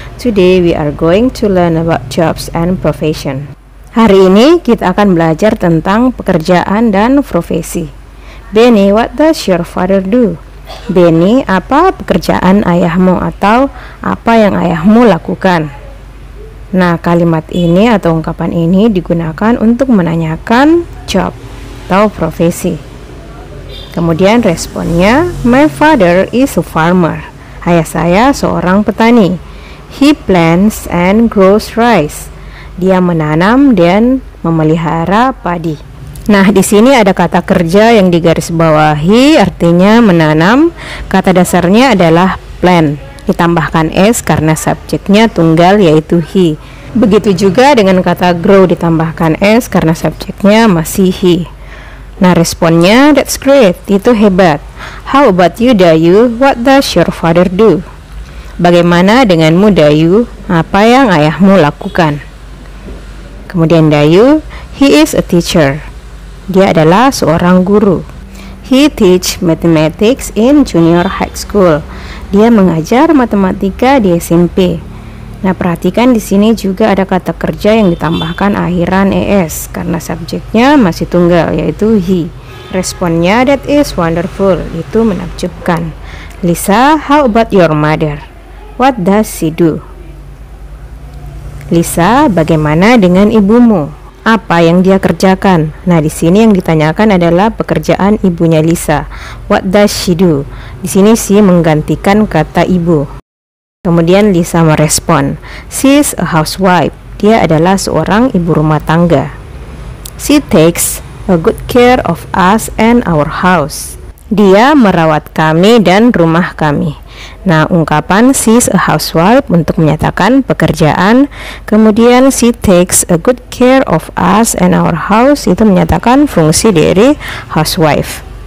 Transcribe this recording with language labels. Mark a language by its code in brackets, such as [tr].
[en] Today we are going to learn about jobs and profession. [id] Hari ini kita akan belajar tentang pekerjaan dan profesi. [en] Benny, what does your father do? [id] Benny, apa pekerjaan ayahmu atau apa yang ayahmu lakukan? Nah, kalimat ini atau ungkapan ini digunakan untuk menanyakan job atau profesi. Kemudian responnya, [en] my father is a farmer. [id] Ayah saya seorang petani. [en] He plants and grows rice. [id] Dia menanam dan memelihara padi. Nah, di sini ada kata kerja yang digarisbawahi, artinya menanam. Kata dasarnya adalah plant. Ditambahkan s karena subjeknya tunggal yaitu he. Begitu juga dengan kata grow, ditambahkan s karena subjeknya masih he. Nah, responnya, [en] that's great, [id] itu hebat. [en] How about you, Dayu? What does your father do? [id] Bagaimana denganmu, Dayu? Apa yang ayahmu lakukan? [en] Kemudian Dayu, he is a teacher. [id] Dia adalah seorang guru. [en] He teach mathematics in junior high school. [id] Dia mengajar matematika di SMP. Nah, perhatikan di sini juga ada kata kerja yang ditambahkan akhiran es karena subjeknya masih tunggal yaitu he. Responnya, [en] that is wonderful. [id] Itu menakjubkan. [en] Lisa, how about your mother? What does she do? [id] Lisa, bagaimana dengan ibumu? Apa yang dia kerjakan? Nah, di sini yang ditanyakan adalah pekerjaan ibunya Lisa. [en] What does she do? [id] Di sini she menggantikan kata ibu. Kemudian Lisa merespon, [en] she is a housewife. [id] Dia adalah seorang ibu rumah tangga. [en] She takes a good care of us and our house. [id] Dia merawat kami dan rumah kami. Nah, ungkapan [en] she is a housewife [id] untuk menyatakan pekerjaan. Kemudian [en] she takes a good care of us and our house [id] itu menyatakan fungsi dari housewife.